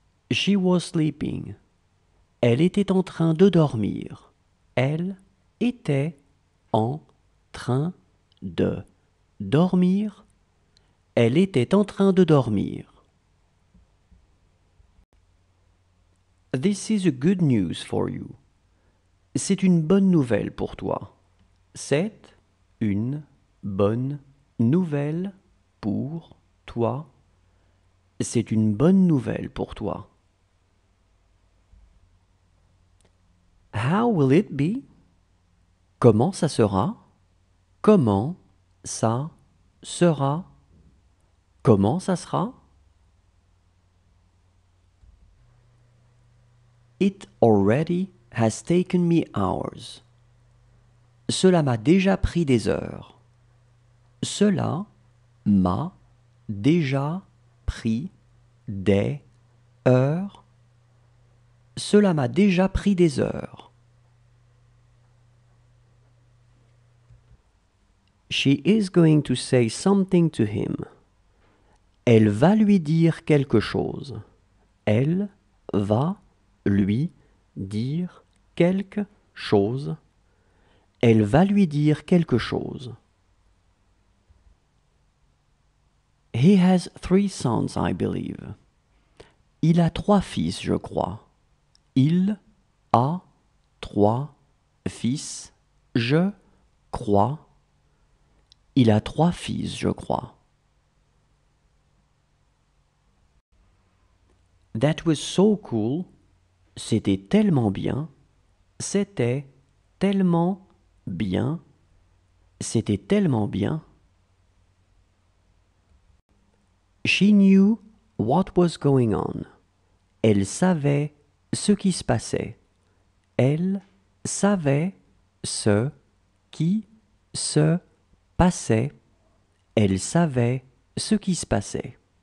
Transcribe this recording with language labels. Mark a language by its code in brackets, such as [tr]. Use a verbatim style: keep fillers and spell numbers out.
[en] She was sleeping. [fr] Elle était en train de dormir. Elle était en train de dormir. Elle était en train de dormir. [en] This is a good news for you. [fr] C'est une bonne nouvelle pour toi. C'est une bonne nouvelle pour toi. C'est une bonne nouvelle pour toi. [en] How will it be? [fr] Comment ça sera? Comment ça sera? Comment ça sera? [en] It already has taken me hours. [fr] Cela m'a déjà pris des heures. Cela m'a déjà pris des heures. Cela m'a déjà pris des heures. [en] She is going to say something to him. [fr] Elle va lui dire quelque chose. Elle va lui dire quelque chose. Elle va lui dire quelque chose. [en] He has three sons, I believe. [fr] Il a trois fils, je crois. Il a trois fils, je crois. Il a trois fils, je crois. [en] That was so cool. [fr] C'était tellement bien. C'était tellement bien. C'était tellement bien. [en] She knew what was going on. [fr] Elle savait ce qui se passait. Elle savait ce qui se passait. Elle savait ce qui se passait.